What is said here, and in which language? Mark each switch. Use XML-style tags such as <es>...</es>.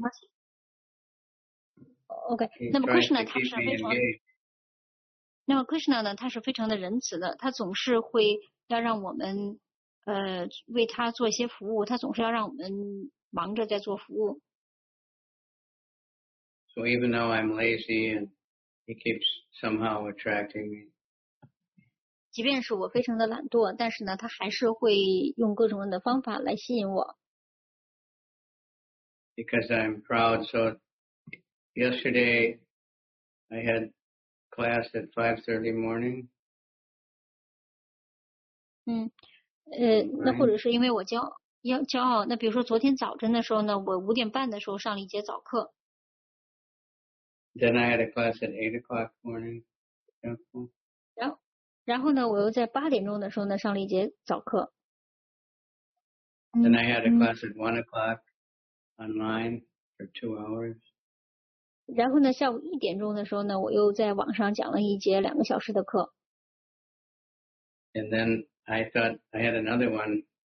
<en>he's trying to keep me engaged.</en> <zh>那么 Krishna 呢, 他是非常的仁慈的, 他总是会要让我们为他做一些服务，他总是要让我们忙着在做服务。</zh> <en>So even though I'm lazy and he keeps somehow attracting me.</en> <zh>即便是我非常的懒惰，但是呢，他还是会用各种的方法来吸引我。</zh> <en>Because I'm proud, so yesterday I had class at 5:30 morning.</en> <zh>那或者是因为我骄傲，那比如说昨天早晨的时候呢，我五点半的时候上了一节早课。</zh> <en>Then I had a class at 8:00 morning.</en> <zh>然后呢，我又在八点钟的时候呢上了一节早课。</zh> <en>Then I had a class at 1:00 online for 2 hours.</en> <zh>然后呢，下午一点钟的时候呢，我又在网上讲了一节2个小时的课。</zh> <en>And then I thought I had another one.</en>